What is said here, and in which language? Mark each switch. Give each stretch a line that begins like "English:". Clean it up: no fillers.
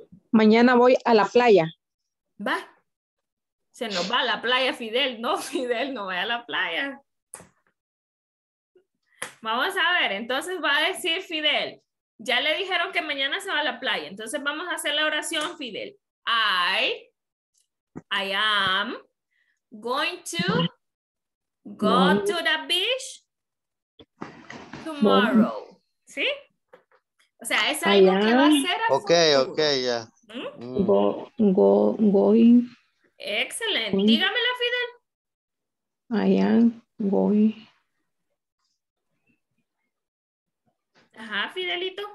Spanish: Mañana voy a la playa. Va. Se nos va a la playa, Fidel. No, Fidel, no vaya a la playa. Vamos a ver. Entonces va a decir Fidel. Ya le dijeron que mañana se va a la playa. Entonces vamos a hacer la oración, Fidel.
English: I am going to go to the beach tomorrow.
Spanish: ¿Sí? O sea, es algo que va a hacer a futuro. Ok, ok, ya.
English: Going.
Spanish: Excelente. Dígamelo, Fidel.
English: I am going.
Spanish: Ajá, Fidelito.